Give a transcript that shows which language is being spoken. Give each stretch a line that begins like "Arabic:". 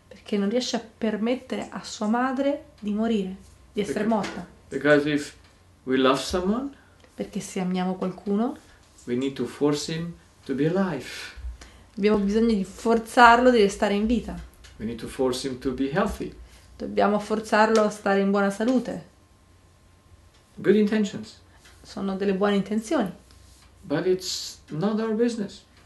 Italian: non riesce a permettere a sua madre di morire, di essere morta. Perché
English: Because if we love someone,
Italian: se amiamo qualcuno,
English: we need to force him to be alive.
Italian: abbiamo bisogno di forzarlo di restare in vita. Dobbiamo
English: We need to force him to be healthy.
Italian: forzarlo a stare in buona salute.
English: Good intentions.
Italian: Sono delle buone intenzioni.
English: But it's not our business.